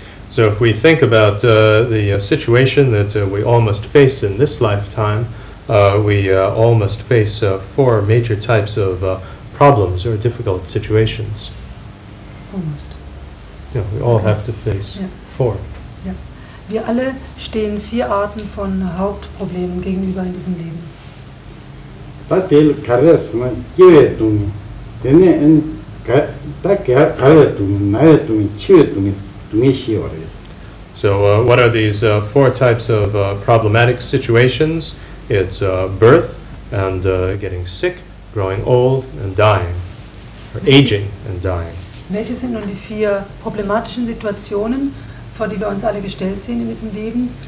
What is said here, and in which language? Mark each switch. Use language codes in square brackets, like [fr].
[en] So if we think about the situation that we all must face in this lifetime, we all must face four major types of problems or difficult situations. Almost. Yeah, we all have to face four. Yeah. [de] Wir alle stehen vier Arten von Hauptproblemen gegenüber in diesem Leben. [en] What are these four types of problematic situations? It's birth and getting sick, growing old and dying, or aging and dying. [de] Welche sind nun die vier problematischen Situationen, vor die wir uns alle gestellt sehen in diesem Leben?